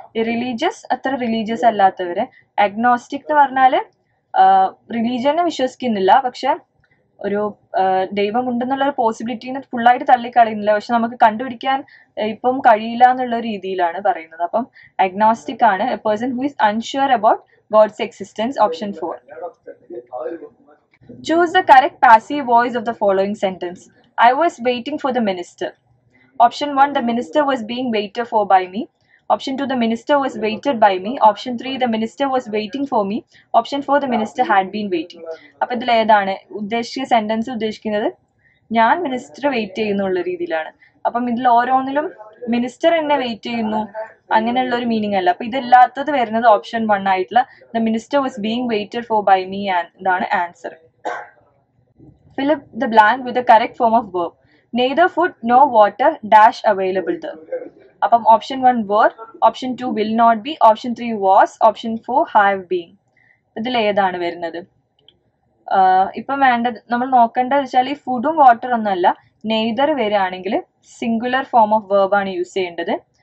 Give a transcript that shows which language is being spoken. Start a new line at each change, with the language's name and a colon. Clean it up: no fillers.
Malayalam: Religious, അത്ര religious അല്ലാത്തവരെ. Agnostic എന്ന് പറഞ്ഞാൽ റിലീജിയനെ വിശ്വസിക്കുന്നില്ല, പക്ഷെ ഒരു ദൈവമുണ്ടെന്നുള്ള ഒരു പോസിബിലിറ്റിനെ ഫുള്ളായിട്ട് തള്ളിക്കളയുന്നില്ല, പക്ഷെ നമുക്ക് കണ്ടുപിടിക്കാൻ ഇപ്പം കഴിയില്ല എന്നുള്ള രീതിയിലാണ് പറയുന്നത്.
English: അപ്പം അഗ്നോസ്റ്റിക് ആണ് a person who is unsure about God's existence. Option four. Choose the correct passive voice of the following sentence. I was waiting for the minister. Option 1, the minister was being waited for by me. Option 2, the minister was waited by me. Option 3, the minister was waiting for me. Option 4, the minister had been waiting.
Malayalam: അപ്പോൾ ഇതിൽ ഏതാണ് ഉദ്ദേശിച്ച sentence? ഉദ്ദേശിക്കുന്നത് ഞാൻ മിനിസ്റ്ററെ wait ചെയ്യുന്നു ഉള്ള രീതിയിലാണ്. അപ്പം ഇതിൽ ഓരോന്നിലും മിനിസ്റ്റർ എന്നെ വെയിറ്റ് ചെയ്യുന്നു അങ്ങനെയുള്ള ഒരു മീനിങ് അല്ല. അപ്പം ഇതില്ലാത്തത് വരുന്നത് ഓപ്ഷൻ വൺ ആയിട്ടുള്ള
English: the minister was being waited for by me
Malayalam: എന്നാണ് answer.
English: Fill up the blank with the correct form of verb. Neither food nor water dash available there. അപ്പം option one were, option two will not be, option three was, option four have been.
Malayalam: ഇതിൽ ഏതാണ് വരുന്നത്? ഇപ്പം വേണ്ടത് നമ്മൾ നോക്കേണ്ടത് വെച്ചാൽ ഈ ഫുഡും വാട്ടർ ഒന്നുമല്ല, നെയ്തർ വരികയാണെങ്കിൽ സിംഗുലർ ഫോം ഓഫ് വേർബ് ആണ് യൂസ് ചെയ്യേണ്ടത്.